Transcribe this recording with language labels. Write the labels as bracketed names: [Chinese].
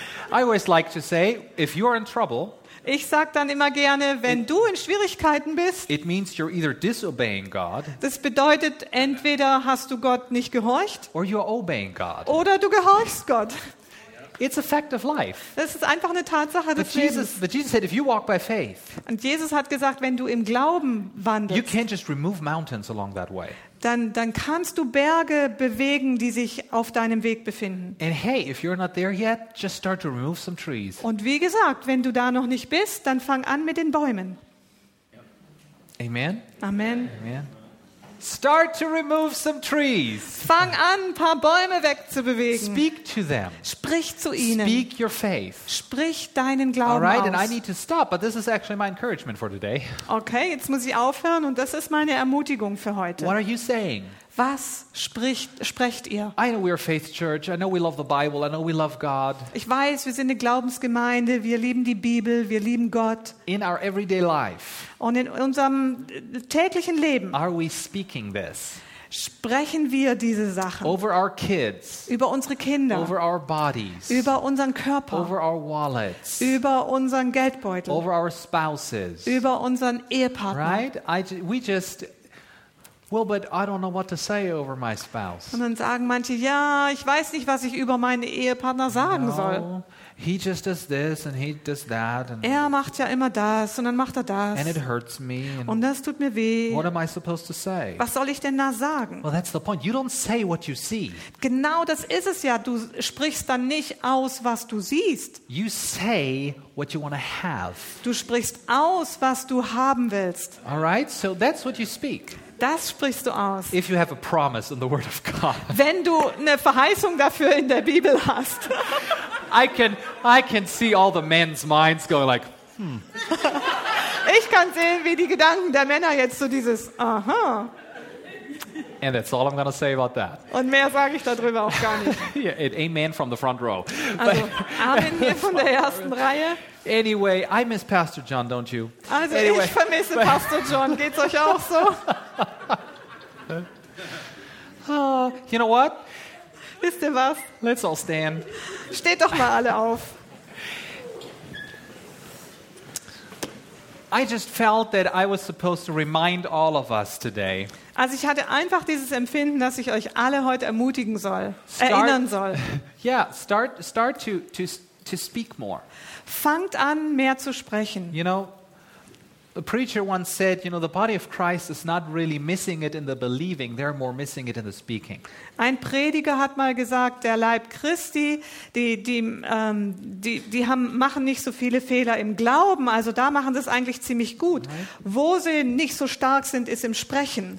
[English] I always like to say, if you are in trouble, [German] ich sag dann immer gerne, wenn du in Schwierigkeiten bist, [English] it means you're either disobeying God, [German] das bedeutet, entweder hast du Gott nicht gehorcht, [English] or you're obeying God. [German] Oder du gehorchst Gott. [English] It's a fact of life. [German] Das ist einfach eine Tatsache des Lebens. [English] But Jesus said, if you walk by faith, [German] und Jesus hat gesagt, wenn du im Glauben wandelst, [English] you can't just remove mountains along that way. [German] Dann kannst du Berge bewegen, die sich auf deinem Weg befinden. [English] And hey, if you're not there yet, just start to remove some trees. [German] Und wie gesagt, wenn du da noch nicht bist, dann fang an mit den Bäumen. Amen. Amen. [English] Amen. Start to remove some trees. [German] Fang an, ein paar Bäume wegzubewegen. [English] Speak to them. [German] Sprich zu ihnen. [English] Speak your faith. [German] Sprich deinen Glauben aus. [English] All right, and I need to stop, but this is actually my encouragement for today. [German] Okay, jetzt muss ich aufhören und das ist meine Ermutigung für heute. [English] What are you saying? [German] Was sprecht ihr? [English] I know we are faith church. I know we love the Bible. I know we love God. [German] Ich weiß, wir sind eine Glaubensgemeinde. Wir lieben die Bibel. Wir lieben Gott. [English] In our everyday life. [German] Und in unserem täglichen Leben. [English] Are we speaking this? [German] Sprechen wir diese Sachen? [English] Over our kids. [German] Über unsere Kinder. [English] Over our bodies. [German] Über unseren Körper. [English] Over our wallets. [German] Über unseren Geldbeutel. [English] Over our spouses. [German] Über unseren Ehepartner. [English] Right? Well, but I don't know what to say over my spouse. [German] Und dann sagen manche, ja, ich weiß nicht, was ich über meinen Ehepartner sagen soll. [English] He just does this and he does that. And [German] er macht ja immer das und dann macht er das. [English] And it hurts me. And [German] und das tut mir weh. [English] What am I supposed to say? [German] Was soll ich denn da sagen? [English] Well, that's the point. You don't say what you see. [German] Genau das ist es ja. Du sprichst dann nicht aus, was du siehst. [English] You say what you want to have. [German] Du sprichst aus, was du haben willst. [English] All right, so that's what you speak. [German] Das sprichst du aus. [English] If you have a promise in the Word of God. [German] Wenn du eine Verheißung dafür in der Bibel hast. [English] I can see all the men's minds going like, [German] Ich kann sehen, wie die Gedanken der Männer jetzt so dieses, [English] And that's all I'm going to say about that. [German] Und mehr sage ich darüber auch gar nicht. [English] Yeah, it, amen from the front row. [German] Also, Amen hier von der ersten Reihe. [English] Anyway, I miss Pastor John, don't you? [German] Also [English] anyway, [German] ich vermisse Pastor John. Geht's euch auch so? [English] You know what? [German] Wisst ihr was? [English] Let's all stand. [German] Steht doch mal alle auf. [English] I just felt that I was supposed to remind all of us today. [German] Also ich hatte einfach dieses Empfinden, dass ich euch alle heute ermutigen soll, erinnern soll. [English] Yeah, start to speak more. [German] Fangt an, mehr zu sprechen. [English] You know, a preacher once said, you know, the body of Christ is not really missing it in the believing, they're more missing it in the speaking. [German] Ein Prediger hat mal gesagt, der Leib Christi, die haben machen nicht so viele Fehler im Glauben, also da machen sie es eigentlich ziemlich gut. [English] Right. [German] Wo sie nicht so stark sind, ist im Sprechen.